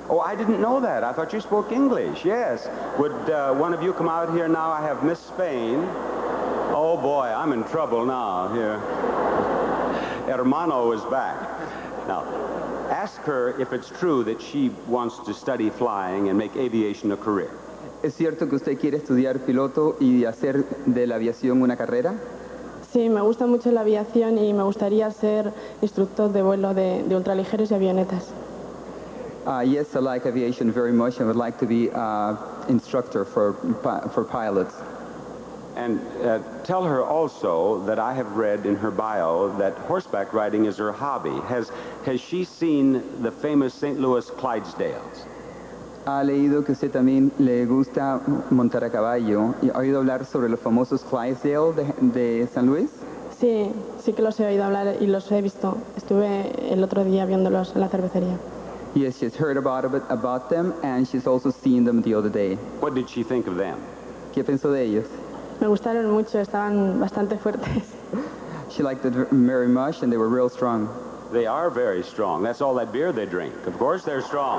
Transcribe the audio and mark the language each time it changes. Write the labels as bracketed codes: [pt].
[en] Oh, I didn't know that. I thought you spoke English. Yes. Would one of you come out here now? I have Miss Spain. Oh, boy, I'm in trouble now here. Hermano is back. Now, ask her if it's true that she wants to study flying and make aviation a career. [es] ¿Es cierto que usted quiere estudiar piloto y hacer de la aviación una carrera? Sí, me gusta mucho la aviación y me gustaría ser instructor de vuelo de ultraligeros y avionetas. [en] Yes, I like aviation very much and would like to be an instructor for pilots. And tell her also that I have read in her bio that horseback riding is her hobby. Has she seen the famous St. Louis Clydesdales? [es] Ha leído que usted también le gusta montar a caballo. ¿Ha oído hablar sobre los famosos Clydesdale de San Luis? Sí, sí que los he oído hablar y los he visto. Estuve el otro día viéndolos en la cervecería. [en] Yes, she's heard about them and she's also seen them the other day. What did she think of them? [es] ¿Qué pensó de ellos? Me gustaron mucho, estaban bastante fuertes. [en] She liked it very much and they were real strong. They are very strong. That's all that beer they drink. Of course they're strong.